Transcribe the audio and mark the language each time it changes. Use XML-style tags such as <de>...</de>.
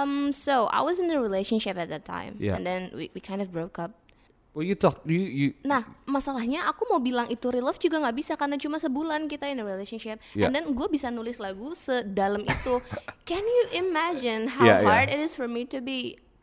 <en>So I was in a relationship at that time, yeah. and then we kind of broke up. Well, you talk.</en> <id>Nah, masalahnya aku mau bilang itu real love juga nggak bisa karena cuma sebulan kita</id> <en>in a relationship,</en> <id>yeah.</id> <en>and then</en> <id>gue bisa nulis lagu sedalam itu.</id> <en>Can you imagine how hard it is for me to be</en>